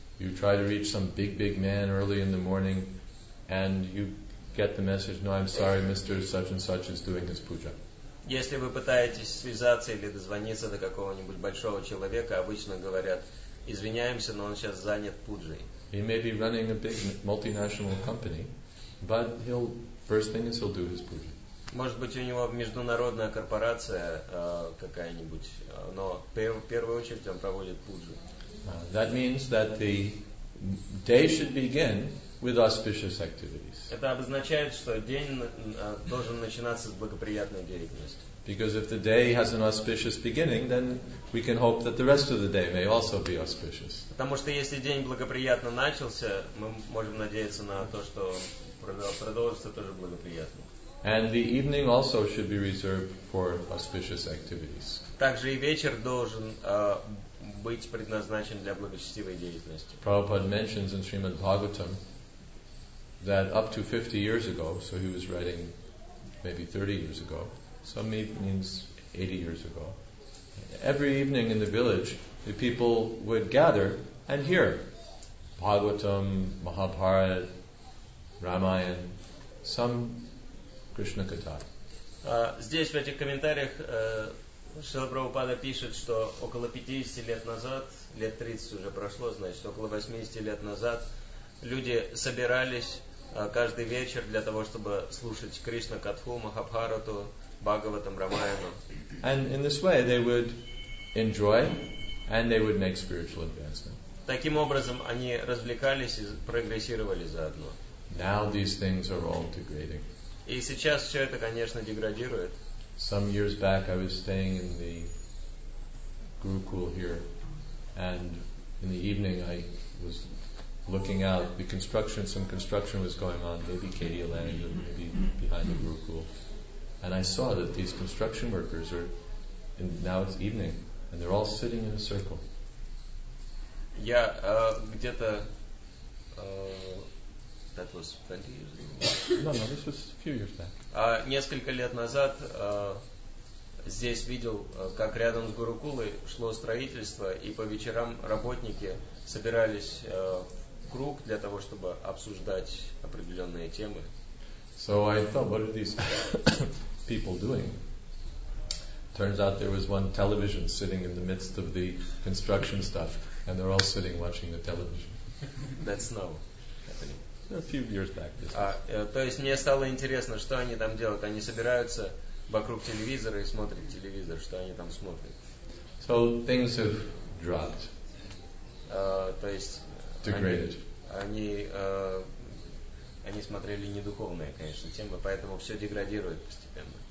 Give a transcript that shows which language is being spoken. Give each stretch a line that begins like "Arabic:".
English: You try to reach some big man early in the morning, and you get the message, "No, I'm sorry, Mr. Such and Such is doing his puja."
Russian: Если вы пытаетесь связаться или дозвониться до какого-нибудь большого человека, обычно говорят, извиняемся, но он сейчас занят пуджей.
English: He may be running a big multinational company. But he'll first thing is he'll do his puja.
Russian: Может быть, у него международная корпорация какая-нибудь, но в первую очередь он проводит пуджу.
English: That means that the day should begin with auspicious activities.
Russian: Это обозначает, что день должен начинаться с благоприятной деятельности.
English: Because if the day has an auspicious beginning, then we can hope that the rest of the day may also be auspicious.
Russian: Потому что если день благоприятно начался, мы можем надеяться на то, что продолжится тоже благоприятно.
English: And the evening also should be reserved for auspicious activities.
Russian: Также и вечер должен быть предназначен для благочестивой деятельности.
English: Prabhupada mentions in Srimad Bhagavatam that up to 50 years ago, so he was writing maybe 30 years ago, some means 80 years ago, every evening in the village the people would gather and hear Bhagavatam, Mahabharata, Рамаян, some Кришна Катха.
Russian: Здесь в этих комментариях Шрила Прабхупада пишет, что около 50 лет назад, лет 30 уже прошло, значит, около 80 лет назад люди собирались каждый вечер для того, чтобы слушать Кришна Катху, Махабхарату, Бхагаватам, Рамаяну.
English: And in this way they would enjoy and they would make spiritual advancement.
Russian: Таким образом они развлекались и прогрессировали заодно.
English: Now these things are all degrading.
Russian: И сейчас все это, конечно, деградирует.
English: Some years back I was staying in the Gurukul here, and in the evening I was looking out. The construction, some construction was going on, maybe Katie Lang, maybe behind the Gurukul. And I saw that these construction workers are, and now it's evening, and they're all sitting in a circle. Yeah,
Russian: где-то,
English: that was 20 years ago. No, this was a few years back.
Russian: Несколько лет назад здесь видел, как рядом с Гурукулой шло строительство, и по вечерам работники собирались в круг для того, чтобы обсуждать определенные темы.
English: So I thought, what are these people doing? Turns out there was one television sitting in the midst of the construction stuff, and they're all sitting watching the television. That's now. A few years back.
Russian: То есть мне стало интересно, что они там делают. Они собираются вокруг телевизора и смотрят телевизор. Что они там смотрят?
English: So things have dropped.
Russian: То есть
English: degraded.
Russian: Они смотрели недуховные, конечно, темы, поэтому все деградирует постепенно.